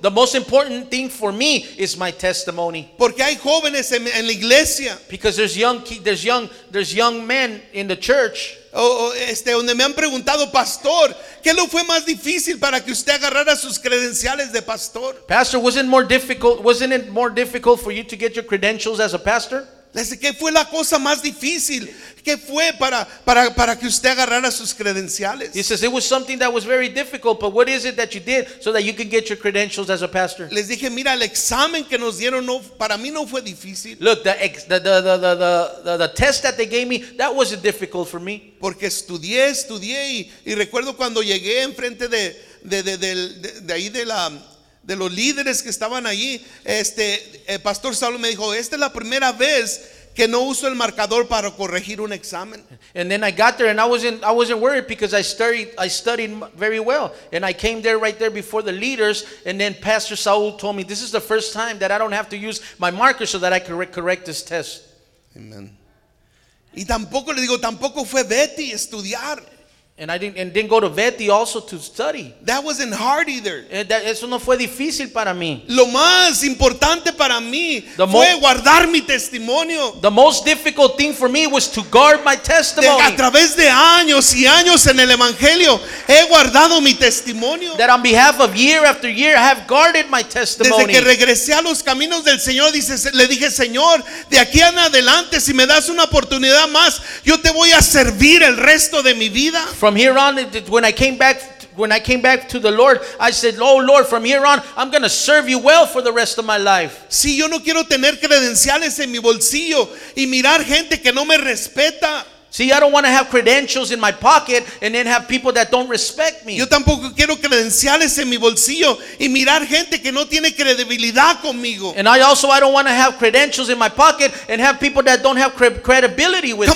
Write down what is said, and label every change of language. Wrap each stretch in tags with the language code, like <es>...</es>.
<en>The most important thing for me is my testimony.</en> <es>Porque hay jóvenes en la iglesia.</es> <en>Because there's young men in the church.</en> <es>Donde me han preguntado, pastor, ¿qué lo fue más difícil para que usted agarrara sus credenciales de pastor?</es> <en>Pastor, wasn't it more difficult for you to get your credentials as a pastor?</en> <es>¿Qué fue la cosa más difícil? ¿Qué fue para que usted agarrara sus credenciales?</es> <en>He says, it was something that was very difficult, but what is it that you did so that you can get your credentials as a pastor?</en> <es>Les dije, mira, el examen que nos dieron no, para mí no fue difícil.</es> <en>Look, the test that they gave me, that wasn't difficult for me.</en> <es>Porque estudié y recuerdo cuando llegué enfrente de los líderes que estaban allí, Pastor Saulo me dijo, esta es la primera vez que no uso el marcador para corregir un examen.</es> <en>And then I got there and I wasn't worried because I studied very well. And I came there right there before the leaders, and then Pastor Saul told me, this is the first time that I don't have to use my marker so that I can correct this test. Amen.</en> <es>Y tampoco le digo, tampoco fue Betty estudiar.</es> <en>And didn't go to Betty also to study. That wasn't hard either.</en> <es>Eso no fue difícil para mí. Lo más importante para mí fue guardar mi testimonio.</es> <en>The most difficult thing for me was to guard my testimony.</en> <es>A través de años y años en el evangelio he guardado mi testimonio.</es> <en>That on behalf of year after year I have guarded my testimony.</en> <es>Desde que regresé a los caminos del Señor, le dije, Señor, de aquí en adelante si me das una oportunidad más, yo te voy a servir el resto de mi vida.</es> <en>From here on, when I came back to the Lord, I said, "Oh Lord, from here on, I'm going to serve you well for the rest of my life."</en> <es>Si yo no quiero tener credenciales en mi bolsillo y mirar gente que no me respeta.</es> <en>See, I don't want to have credentials in my pocket and then have people that don't respect me.</en> <es>Yo tampoco quiero credenciales en mi bolsillo y mirar gente que no tiene credibilidad conmigo.</es> <en>And I don't want to have credentials in my pocket and have people that don't have credibility with me.</en>